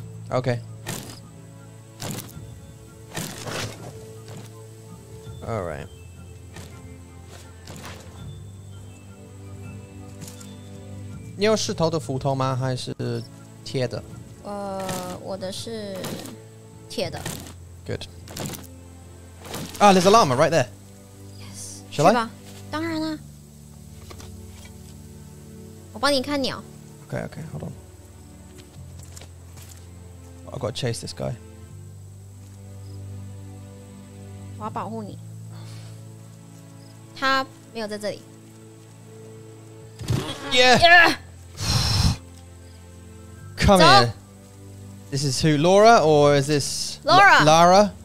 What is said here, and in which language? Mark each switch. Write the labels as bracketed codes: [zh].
[en] OK All right [zh] 你有石头的斧头吗还是贴的我的是贴的 [en] Good Ah, there's a llama right there. Yes. Shall I? [zh] 是吧当然啊我帮你看鸟 [en] Okay, okay, hold on I've got to chase this guy [zh] 我要保护你他没有在这里 [en] Yeah, yeah! Come here. This is who? Laura or is this... Laura. Lara?